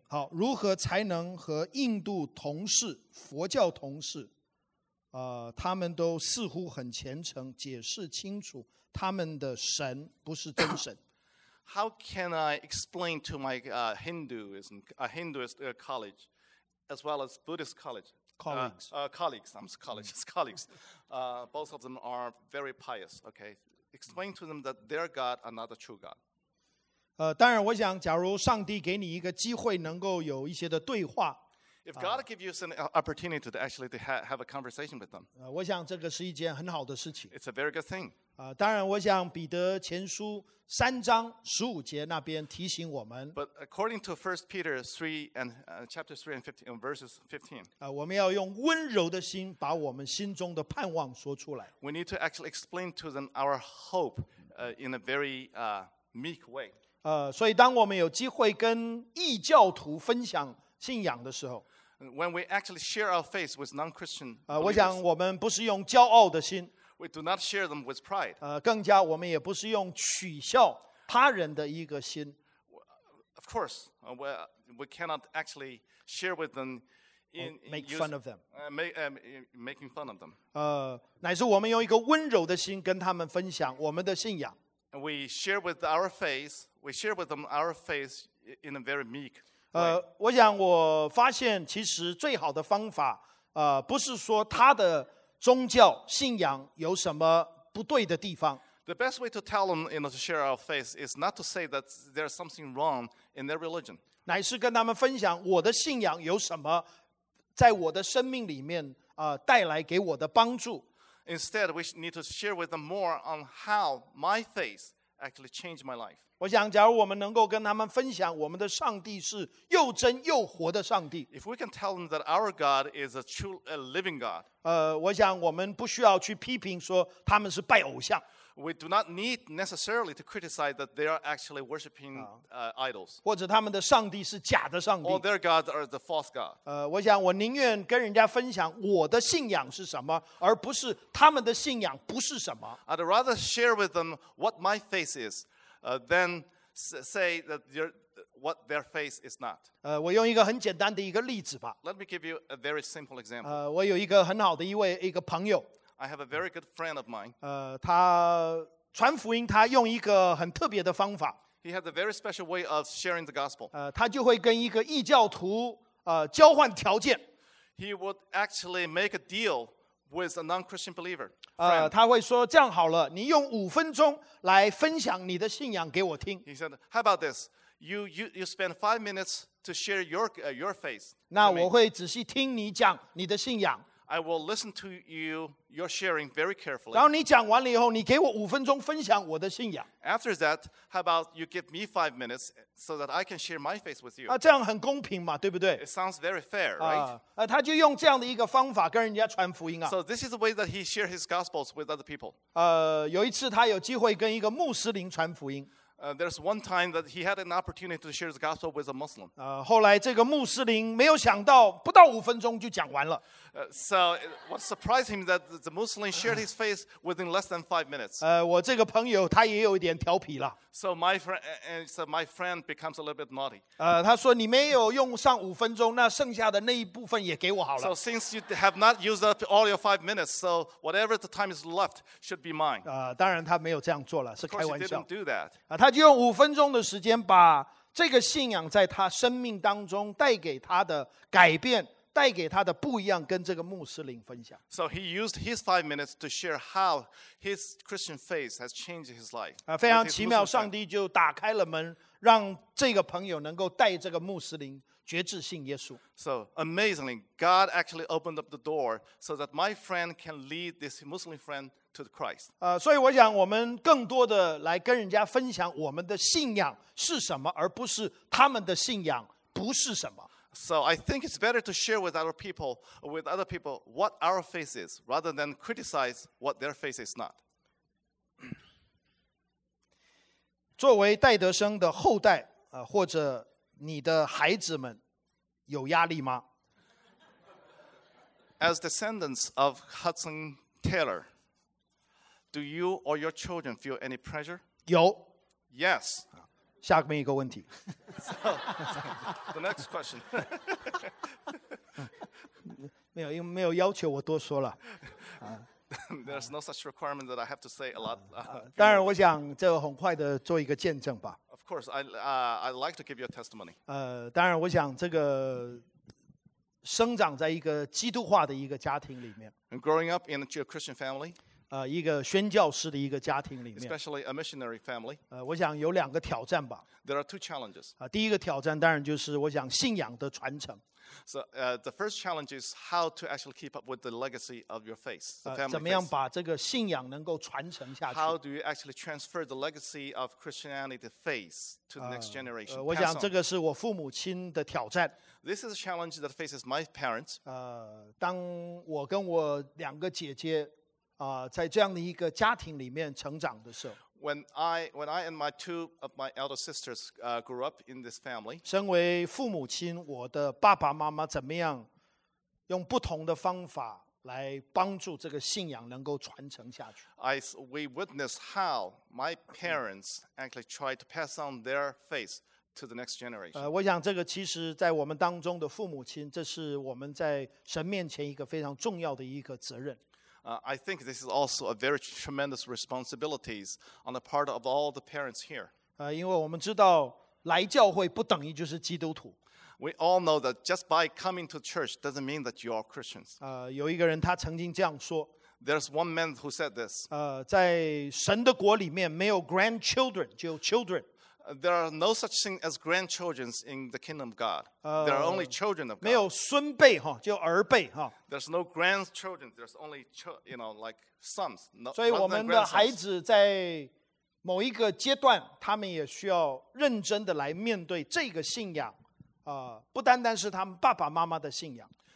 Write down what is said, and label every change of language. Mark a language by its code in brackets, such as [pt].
[zh] 好如何才能和印度同事佛教同事他们都似乎很虔诚解释清楚他们的神不是真神 [en] How can I explain to my Hinduist college as well as Buddhist college colleagues both of them are very pious okay explain to them that their God are not the true God [zh] 当然我想假如上帝给你一个机会能够有一些的对话 [en] If God gives you an opportunity to actually have a conversation with them, [zh] 我想这个是一件很好的事情。 [en] It's a very good thing. [zh] 当然，我想彼得前书三章十五节那边提醒我们。 [en] But according to 1 Peter 3 and chapter 3 and 15 and verses 15, [zh] 我们要用温柔的心把我们心中的盼望说出来。 [en] We need to actually explain to them our hope, in a very meek way. [zh] 所以当我们有机会跟异教徒分享。信仰的时候 [en] When we actually share our faith with non-Christian believers, [zh] 我想我们不是用骄傲的心 [en] We do not share them with pride. [zh] 更加我们也不是用取笑他人的一个心。 [en] Of course, we cannot actually share with them making fun of them. [zh] 乃是我们用一个温柔的心跟他们分享我们的信仰。 [en] We share with our faith. We share with them our faith in a very meek way. [zh] 我想我发现其实最好的方法，不是说他的宗教信仰有什么不对的地方。 [en] The best way to tell them, you know, to share our faith is not to say that there's something wrong in their religion. [zh] 乃是跟他们分享我的信仰有什么，在我的生命里面带来给我的帮助。 [en] Instead, we need to share with them more on how my faith actually changed my life. [zh] 我想，假如我们能够跟他们分享，我们的上帝是又真又活的上帝。 [en] If we can tell them that our God is a true, a living God. [zh] 我想我们不需要去批评说他们是拜偶像。 [en] We do not need necessarily to criticize that they are actually worshiping idols. [zh] 或者他们的上帝是假的上帝。 [en] Or their gods are the false god. [zh] 我想我宁愿跟人家分享我的信仰是什么，而不是他们的信仰不是什么。 [en] I'd rather share with them what my faith is, than say that what their faith is not. [zh] 我用一个很简单的一个例子吧。 [en] Let me give you a very simple example. [zh] 我有一个很好的一个朋友。 [en] I have a very good friend of mine. [zh] 他传福音，他用一个很特别的方法。 [en] He has a very special way of sharing the gospel. [zh] 他就会跟一个异教徒交换条件。 [en] He would actually make a deal with a non-Christian believer. [zh] 他会说这样好了，你用五分钟来分享你的信仰给我听。 [en] He said, "How about this? You spend 5 minutes to share your faith." [zh] 那我会仔细听你讲你的信仰。 [en] I will listen to you, your sharing very carefully. [zh] 然后你讲完了以后，你给我五分钟分享我的信仰。 [en] After that, how about you give me 5 minutes so that I can share my faith with you? [zh] 这样很公平嘛，对不对？ [en] It sounds very fair, right? [zh] 他就用这样的一个方法跟人家传福音啊。 [en] So this is the way that he shared his gospels with other people. [zh] 有一次他有机会跟一个穆斯林传福音。 [en] There's one time that he had an opportunity to share the gospel with a Muslim. [zh] 后来这个穆斯林没有想到，不到五分钟就讲完了。 [en] So what surprised him that the Muslim shared his faith within less than 5 minutes. [zh] 我这个朋友他也有一点调皮了。 [en] So my friend becomes a little bit naughty. [zh] 他说你没有用上五分钟，那剩下的那一部分也给我好了。 [en] So since you have not used up all your 5 minutes, so whatever the time is left should be mine. [zh] 当然他没有这样做了，是开玩笑。 [en] Of course he didn't do that. [zh] 他就用五分钟的时间把这个信仰在他生命当中带给他的改变，带给他的不一样，跟这个穆斯林分享。 [en] So he used his 5 minutes to share how his Christian faith has changed his life. [zh] 非常奇妙，上帝就打开了门，让这个朋友能够带这个穆斯林决志信耶稣。 [en] So amazingly, God actually opened up the door so that my friend can lead this Muslim friend to Christ. [zh] 所以我想我们更多的来跟人家分享我们的信仰是什么，而不是他们的信仰不是什么。 [en] So I think it's better to share with other people what our faith is rather than criticize what their faith is not. [zh] 作为戴德生的后代，或者你的孩子们有压力吗？ [en] As descendants of Hudson Taylor, do you or your children feel any pressure? [zh] 有。 [en] Yes. [zh] 下面一个问题。 [en] So, the next question. [zh] 没有，因为没有要求我多说了。 [en] There's no such requirement that I have to say a lot. [zh] 当然，我想这很快的做一个见证吧。 [en] Of course, I'd like to give you a testimony. [zh] 当然，我想这个生长在一个基督化的一个家庭里面。 [en] And growing up in a Christian family. [zh] 一个宣教师的一个家庭里面。 [en] Especially a missionary family. [zh] 我想有两个挑战吧。 [en] There are two challenges. [zh] 第一个挑战当然就是我想信仰的传承。 [en] So the first challenge is how to actually keep up with the legacy of your faith, the family faith. [zh] 怎么样把这个信仰能够传承下去？ [en] How do you actually transfer the legacy of Christianity faith to the next generation? [zh] 我想这个是我父母亲的挑战。 [en] This is a challenge that faces my parents. [zh] 当我跟我两个姐姐在这样的一个家庭里面成长的时候。 [en] When I and my two of my elder sisters grew up in this family, [zh] 身为父母亲，我的爸爸妈妈怎么样用不同的方法来帮助这个信仰能够传承下去。 [en] We witnessed how my parents actually tried to pass on their faith to the next generation. [zh] 我想这个其实在我们当中的父母亲，这是我们在神面前一个非常重要的一个责任。 [en] I think this is also a very tremendous responsibility on the part of all the parents here. [zh] 因为我们知道来教会不等于就是基督徒。 [en] We all know that just by coming to church doesn't mean that you are Christians. [zh] 有一个人他曾经这样说。 [en] There's one man who said this. [zh] 在神的国里面没有 grandchildren, 只有 children. [en] There are no such thing as grandchildren in the kingdom of God. There are only children of God. [zh] 没有孙辈哈，只有儿辈哈。 [en] There's no grandchildren. There's only like sons. [zh] 所以我们的孩子在某一个阶段，他们也需要认真的来面对这个信仰。不单单是他们爸爸妈妈的信仰。